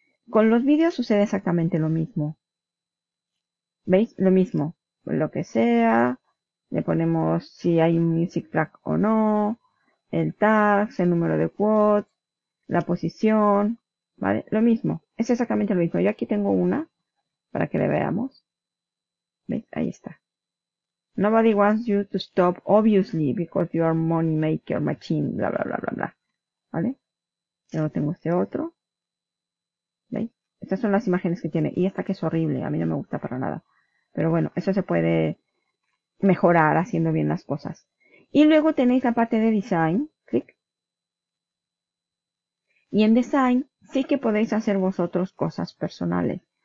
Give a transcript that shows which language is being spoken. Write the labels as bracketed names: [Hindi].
[Spanish] Con los vídeos sucede exactamente lo mismo. ¿Veis? Lo mismo. Lo que sea, le ponemos si hay un music track o no, el tag, el número de quotes, la posición, ¿vale? Lo mismo, es exactamente lo mismo. Yo aquí tengo una para que le veamos. ¿Veis? Ahí está. [English] Nobody wants you to stop, obviously, because you are money maker machine, bla, bla, bla, bla, bla. [Spanish] ¿Vale? Luego tengo este otro. ¿Veis? Estas son las imágenes que tiene. Y esta que es horrible, a mí no me gusta para nada. Pero bueno, eso se puede mejorar haciendo bien las cosas. Y luego tenéis la parte de design. Clic. Y en design sí que podéis hacer vosotros cosas personales.